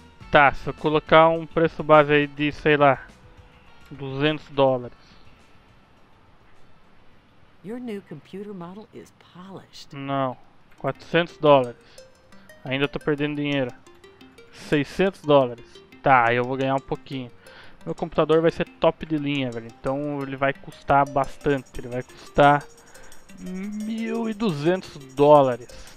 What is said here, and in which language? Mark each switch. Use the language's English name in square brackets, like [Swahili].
[Portuguese] Tá, se eu colocar um preço base aí de, sei lá, $200. [English] Your new computer model is polished. [Portuguese] Não, $400. Ainda tô perdendo dinheiro. $600. Tá, eu vou ganhar um pouquinho. Meu computador vai ser top de linha, velho. Então ele vai custar bastante. Ele vai custar $1,200.